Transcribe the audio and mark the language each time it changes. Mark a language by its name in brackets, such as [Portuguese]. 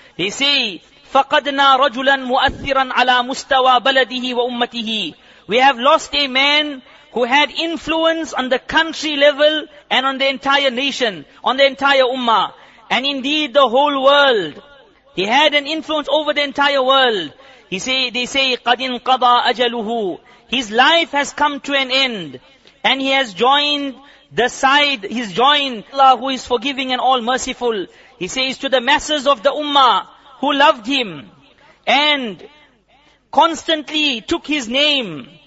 [English] They say, [Arabic] فَقَدْنَا رَجُلًا مُؤَثِّرًا عَلَىٰ مُسْتَوَىٰ بَلَدِهِ وَأُمَّتِهِ [English] We have lost a man who had influence on the country level and on the entire nation, on the entire ummah. And indeed the whole world, He had an influence over the entire world. [Arabic] They say, قَدْ انْقَضَى أَجَلُهُ. [English] His life has come to an end. And he has joined the side, he's joined Allah who is forgiving and all merciful. He says to the masses of the ummah who loved him and constantly took his name.